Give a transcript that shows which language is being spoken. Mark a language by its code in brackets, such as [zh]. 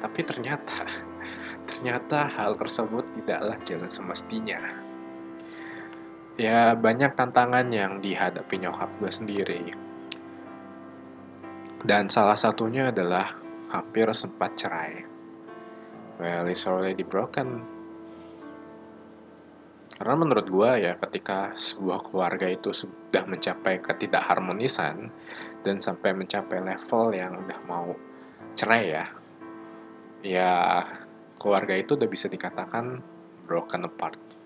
[id] Tapi ternyata hal tersebut tidaklah jalan semestinya. Ya, banyak tantangan yang dihadapi nyokap gue sendiri. Dan salah satunya adalah hampir sempat cerai. [en] Well, it's already broken. [id] Karena menurut gue ya ketika sebuah keluarga itu sudah mencapai ketidakharmonisan dan sampai mencapai level yang udah mau cerai ya, ya keluarga itu udah bisa dikatakan [en] broken apart.